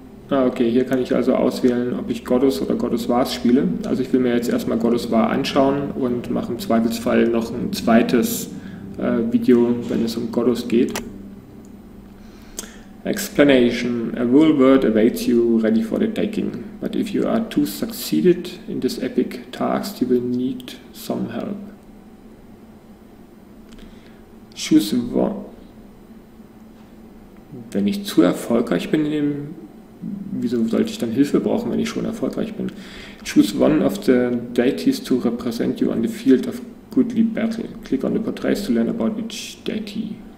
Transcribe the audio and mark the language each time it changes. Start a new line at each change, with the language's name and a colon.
German: Ah, okay, hier kann ich also auswählen, ob ich Gordus oder Gordus Vaas spiele. Also ich will mir jetzt erstmal Gordus Vaas anschauen und mache im Zweifelsfall noch ein zweites Video, wenn es um Gordus geht.
English: Explanation. A real world awaits you, ready for the taking. But if you are to succeed in this epic task, you will need some help. Choose one.
German: Wenn ich zu erfolgreich bin in dem... Wieso sollte ich dann Hilfe brauchen, wenn ich schon erfolgreich bin?
English: Choose one of the deities to represent you on the field of goodly battle. Click on the portraits to learn about each deity.